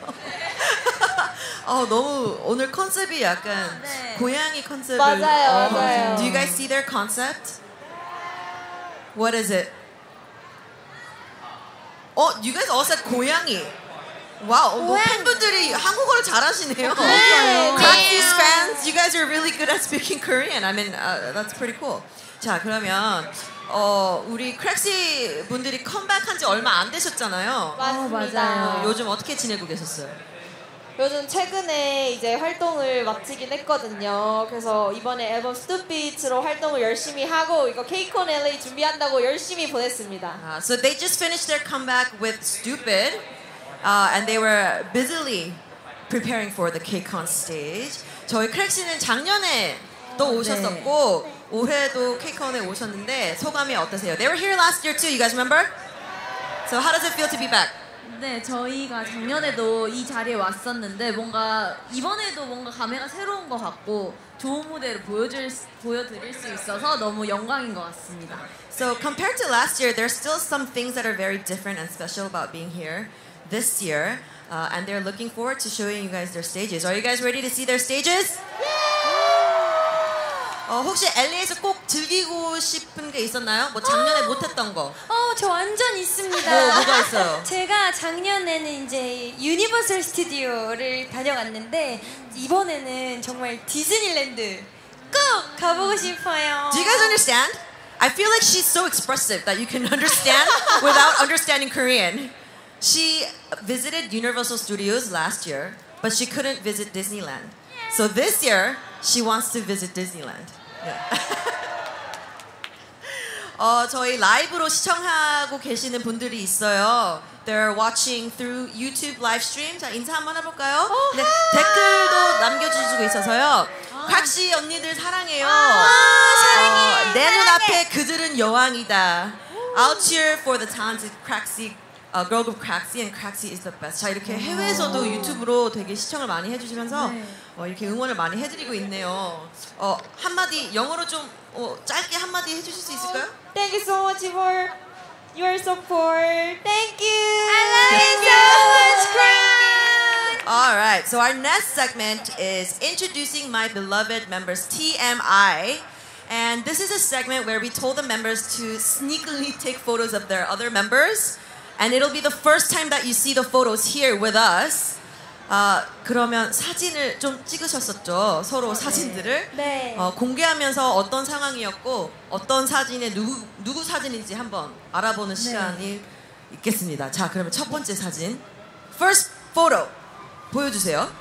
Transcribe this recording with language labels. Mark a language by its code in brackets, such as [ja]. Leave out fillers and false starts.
[ko] 웃음> 아, 너무 오늘 컨셉이 약간 네. 고양이 컨셉을 맞아요, 어, 맞아요. [en] Do you guys see their concept? What is it? Oh, you guys all said 고양이. [ko] Wow, 팬분들이 한국어를 잘하시네요. 맞아요. [en] Fans, you guys are really good at speaking Korean. I mean, that's pretty cool. [ko] 자, 그러면 어, 우리 크랙시 분들이 컴백한 지 얼마 안 되셨잖아요. 맞아요. 요즘 어떻게 지내고 계셨어요? 요즘 최근에 이제 활동을 마치긴 했거든요. 그래서 이번에 앨범 스투피츠로 활동을 열심히 하고 이거 K-Con LA 준비한다고 열심히 보냈습니다. [en] So they just finished their comeback with Stupid and they were busily preparing for the K-Con stage. [ko] 저희 크랙시는 작년에 또 오셨었고 네. 올해도 K-Con에 오셨는데 소감이 어떠세요? [en] They were here last year too, you guys remember? So how does it feel to be back? [ko] 네, 저희가 작년에도 이 자리에 왔었는데 뭔가 이번에도 뭔가 감회가 새로운 것 같고 좋은 무대를 보여드릴 수 있어서 너무 영광인 것 같습니다. [en] So compared to last year, there's still some things that are very different and special about being here this year. And they're looking forward to showing you guys their stages. Are you guys ready to see their stages? Yeah! [ko] 어, 혹시 LA에서 꼭 즐기고 싶은 게 있었나요? 뭐 작년에 oh! 못했던 거? 저 완전 있습니다. 뭐, 뭐가 있어요? 제가 작년에는 이제 유니버설 스튜디오를 다녀왔는데 이번에는 정말 디즈니랜드 꼭 가보고 싶어요. [en] Do you guys understand? I feel like she's so expressive that you can understand without understanding Korean. She visited Universal Studios last year, but she couldn't visit Disneyland. So this year, she wants to visit Disneyland. Yeah. [ko] 어, 저희 라이브로 시청하고 계시는 분들이 있어요. [en] They're watching through YouTube live stream. [ko] 자, 인사 한번 해볼까요? 네, 댓글도 남겨주시고 있어서요. 각시 언니들 사랑해요. 사랑해. 내 눈앞에 그들은 여왕이다. [en] I'll cheer for the talented Craxy, girl group Craxy, and Craxy is the best. 자, 이렇게 해외에서도 유튜브로 되게 시청을 많이 해주시면서 네. 어, 이렇게 응원을 많이 해드리고 있네요. 어, 한마디 영어로 좀 어, 짧게 한마디 해주실 수 있을까요? Oh, thank you so much for your support. Thank you. I love you so much, Craig. All right, so our next segment is introducing my beloved members, TMI. And this is a segment where we told the members to sneakily take photos of their other members. And it'll be the first time that you see the photos here with us. [ko] 아, 그러면 사진을 좀 찍으셨었죠? 서로 아, 사진들을 네. 네. 어, 공개하면서 어떤 상황이었고 어떤 사진에 누구 사진인지 한번 알아보는 네. 시간이 있겠습니다. 자, 그러면 첫 번째 사진 [en] First photo [ko] 보여주세요.